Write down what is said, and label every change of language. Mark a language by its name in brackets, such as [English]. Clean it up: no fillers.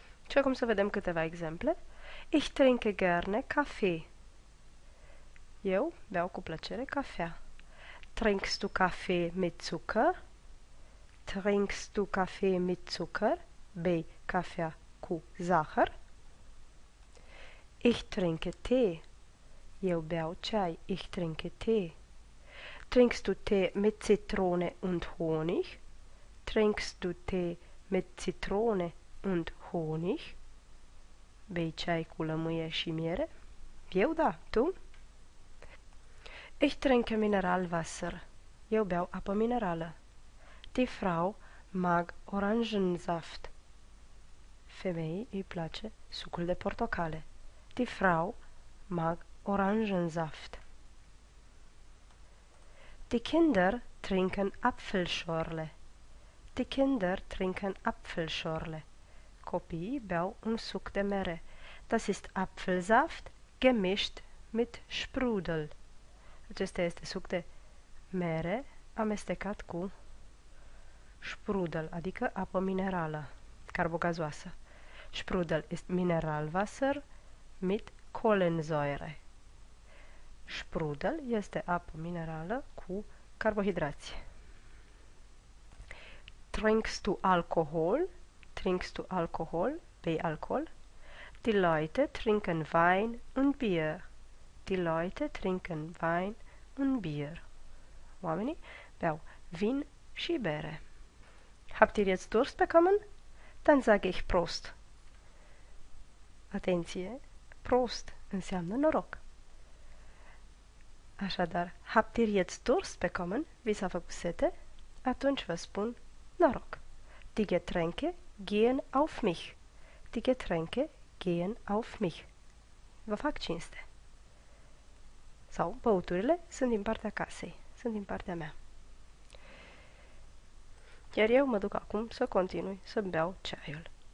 [Romanian] Și acum să vedem câteva exemple. [German] Ich trinke gerne Kaffee. [Romanian] Eu beau cu plăcere cafea. [German] Trinkst du Kaffee mit Zucker? Trinkst du Kaffee mit Zucker? [Romanian] Bei cafea cu zahăr? [German] Ich trinke Tee. [Romanian] Eu beau ceai. [German] Ich trinke Tee. Trinkst du Tee mit Zitrone und Honig? Trinkst du Tee mit Zitrone und Honig? [Romanian] Bei ceai cu lămâie și miere? Eu da, tu? [German] Ich trinke Mineralwasser. [Romanian] Eu beau apă minerală. [German] Die Frau mag Orangensaft. [Romanian] Femeii îi place sucul de portocale. [German] Die Frau mag Orangensaft. Die Kinder trinken Apfelschorle. Die Kinder trinken Apfelschorle. [Romanian] Copiii beau un suc de mere. [German] Das ist Apfelsaft gemischt mit Sprudel. [Romanian] Acesta este suc de mere amestecat cu Sprudel, adică apă minerală, carbogazoasă. [German] Sprudel ist Mineralwasser mit Kohlensäure. [Romanian] Sprudel este apă minerală cu carbohidrați. [German] Trinkst du Alkohol? Trinkst du Alkohol? [Romanian] Bei Alkohol? [German] Die Leute trinken Wein und Bier. Die Leute trinken Wein und Bier. [Romanian] Oamenii beau vin și bere. [German] Habt ihr jetzt Durst bekommen? Dann sage ich Prost. [Romanian] Atenție, Prost înseamnă noroc. Așadar, [German] habt ihr jetzt Durst bekommen? [Romanian] Vi s-a făcut sete? Atunci vă spun noroc. [German] Die Getränke gehen auf mich. Die Getränke gehen auf mich. [Romanian] Vă fac cinste. Sau băuturile sunt din partea casei, sunt din partea mea. Iar eu mă duc acum să continui să beau ceaiul.